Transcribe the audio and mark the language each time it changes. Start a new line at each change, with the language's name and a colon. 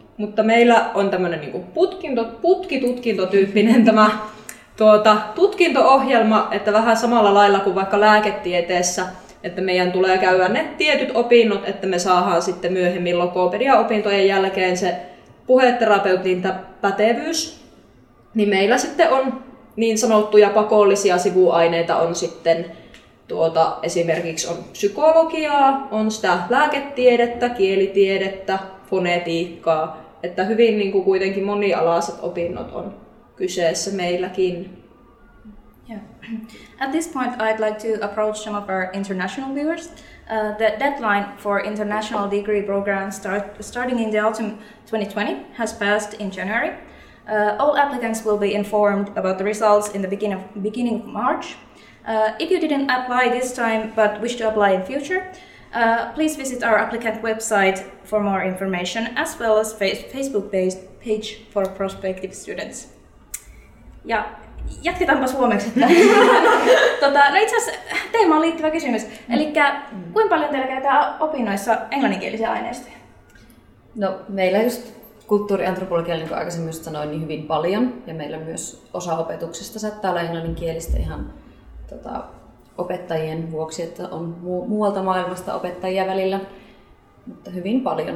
Finnish: Mutta meillä on tämmöinen niin kuin putkitutkintotyyppinen tämä tutkinto-ohjelma, että vähän samalla lailla kuin vaikka lääketieteessä, että meidän tulee käydä ne tietyt opinnot, että me saadaan sitten myöhemmin logopedia-opintojen jälkeen se puheterapeutin pätevyys, niin meillä sitten on niin sanottuja pakollisia sivuaineita, on sitten esimerkiksi on psykologiaa, on sitä lääketiedettä, kielitiedettä, fonetiikkaa, että hyvin niin kuin kuitenkin monialaiset opinnot on kyseessä meilläkin.
English: Yeah. At this point, I'd like to approach some of our international viewers. The deadline for international degree programs starting in the autumn 2020 has passed in January. All applicants will be informed about the results in the beginning of March. If you didn't apply this time but wish to apply in future, please visit our applicant website for more information, as well as Facebook-based page for prospective students.
Finnish: Yeah. Jatketaanpa suomeksi. No itse asiassa teemaan liittyvä kysymys. Elikkä kuinka paljon teillä käytetään opinnoissa englanninkielisiä aineistoja? No meillä just kulttuuriantropologialla, niin kuin aikaisemmin just sanoin, niin hyvin paljon. Ja meillä myös osa opetuksesta saattaa olla englanninkielistä ihan opettajien vuoksi, että on muualta maailmasta opettajia välillä. Mutta hyvin paljon.